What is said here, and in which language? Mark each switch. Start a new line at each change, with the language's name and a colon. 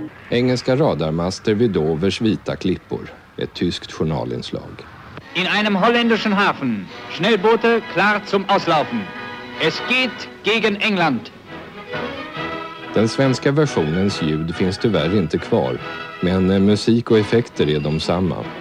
Swedish: Engelska radarmaster vid Dovers vita klippor. Ett tyskt journalinslag.
German: In einem holländischen Hafen. Schnellboote klar zum Auslaufen. Es geht gegen England.
Swedish: Den svenska versionens ljud finns tyvärr inte kvar. Men musik och effekter är de samma.